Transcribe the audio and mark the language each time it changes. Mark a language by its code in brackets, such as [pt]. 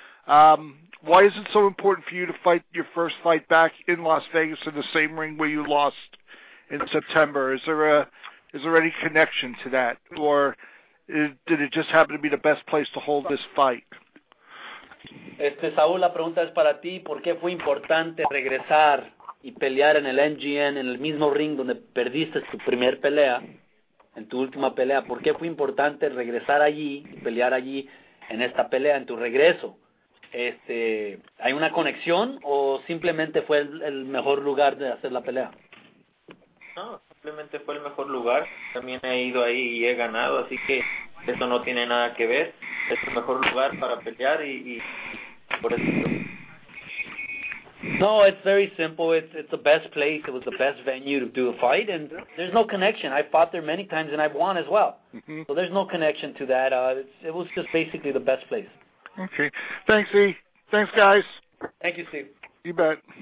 [en] Why is it so important for you to fight your first fight back in Las Vegas in the same ring where you lost in September? Is there any connection to that, or did it just happen to be the best place to hold this fight? [es] Saúl, la pregunta es para ti. ¿Por qué fue importante regresar y pelear en el MGM en el mismo ring donde perdiste tu primer pelea, en tu última pelea? ¿Por qué fue importante regresar allí y pelear allí en esta pelea, en tu regreso? ¿Hay una conexión o simplemente fue el mejor lugar de hacer la pelea? No, simplemente fue el mejor lugar. También he ido ahí y he ganado, así que eso no tiene nada que ver. Es el mejor lugar para pelear y por eso. [en] No, it's very simple. It's the best place. It was the best venue to do a fight, and there's no connection. I fought there many times, and I've won as well. Mm-hmm. So there's no connection to that. It was just basically the best place. Okay. Thanks, E. Thanks, guys. Thank you, Steve. You bet.